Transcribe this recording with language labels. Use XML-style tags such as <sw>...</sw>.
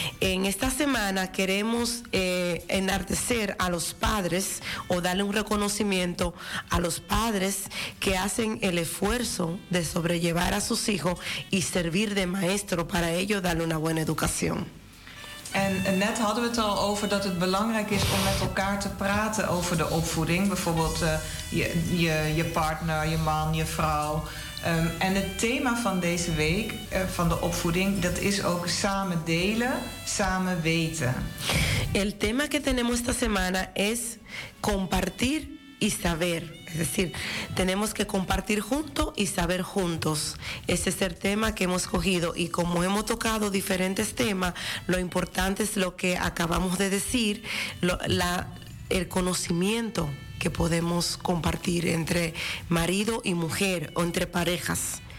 <es>En esta semana queremos enaltecer a los padres o darle un reconocimiento a los padres que hacen el esfuerzo de sobrellevar a sus hijos y servir de maestro para ellos darle una buena educación.</es> <nl>En net hadden we het al over dat het belangrijk is om met elkaar te praten over de opvoeding. Bijvoorbeeld je partner, je man, je vrouw. En het thema van deze week, van de opvoeding, dat is ook samen delen, samen weten.</nl> <es>El tema que tenemos esta semana es compartir y saber. Es decir, tenemos que compartir juntos y saber juntos. Ese es el tema que hemos cogido. Y como hemos tocado diferentes temas, lo importante es lo que acabamos de decir, el conocimiento que podemos compartir entre marido y mujer o entre parejas.</es>